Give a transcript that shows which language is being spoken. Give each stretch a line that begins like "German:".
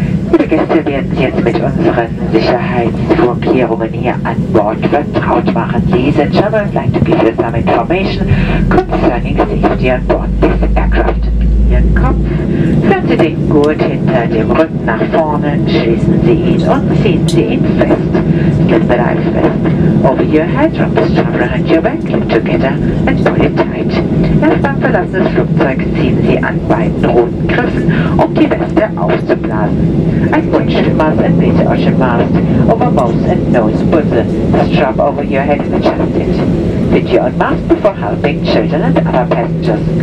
German: Liebe Gäste, werden Sie jetzt mit unseren Sicherheitsvorkehrungen hier an Bord vertraut machen.
English: Ladies and gentlemen, I'd like to give you some information concerning safety on board this aircraft.
German: Ihren Kopf, führen Sie den Gurt hinter dem Rücken nach vorne, schließen Sie ihn und ziehen Sie ihn fest.
English: Slip the life vest over your head, wrap the strap around your back, clip together and pull it tight.
German: Erst beim Verlassen des Flugzeugs ziehen Sie an beiden roten Griffen, um die Weste aufzublasen.
English: Ein windshield mask and beta ocean mask over mouth and nose. Put the strap over your head and adjust it. Fit your own mask before helping children and other passengers.